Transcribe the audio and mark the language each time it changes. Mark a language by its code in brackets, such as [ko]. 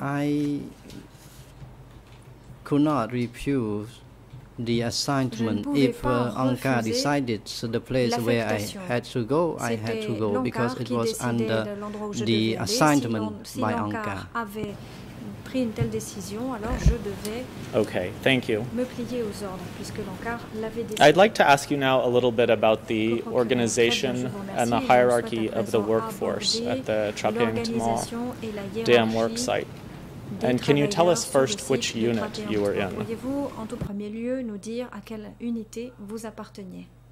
[en] I could not refuse the assignment if Anka decided the place where I had to go. [fr] C'était [en] I had to go because it was under the assignment by Anka. [fr] Avait pris une telle décision, alors je devais [en] okay, thank you. [fr] Me plier aux ordres, puisque l'encart l'avait décidé. [en] I'd like to ask you now a little bit about the organization and the hierarchy of the workforce at the Trapping-Tmall dam work site. And can you tell us first which unit you were in? [fr] Pourriez-vous en tout premier lieu nous dire à quelle unité vous apparteniez?